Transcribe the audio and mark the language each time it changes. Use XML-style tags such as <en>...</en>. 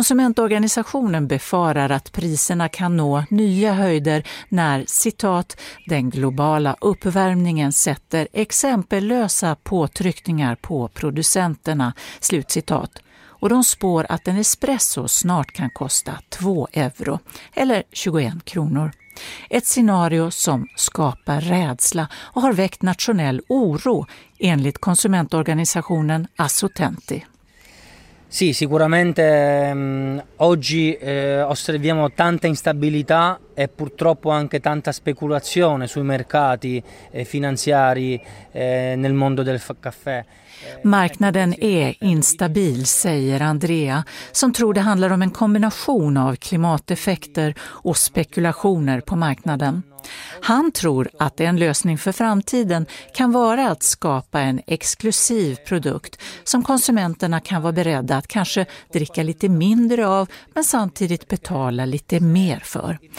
<sv>Konsumentorganisationen befarar att priserna kan nå nya höjder när, citat, den globala uppvärmningen sätter exempellösa påtryckningar på producenterna, slutcitat. Och de spår att en espresso snart kan kosta 2 euro, eller 21 kronor. Ett scenario som skapar rädsla och har väckt nationell oro, enligt konsumentorganisationen Assotenti.</sv> <it>Sì, sicuramente oggi osserviamo tanta instabilità e purtroppo anche tanta speculazione sui mercati finanziari nel mondo del caffè.</it> <sv>Marknaden är instabil, säger Andrea, som tror det handlar om en kombination av klimateffekter och spekulationer på marknaden. Han tror att en lösning för framtiden kan vara att skapa en exklusiv produkt som konsumenterna kan vara beredda att kanske dricka lite mindre av, men samtidigt betala lite mer för.</sv>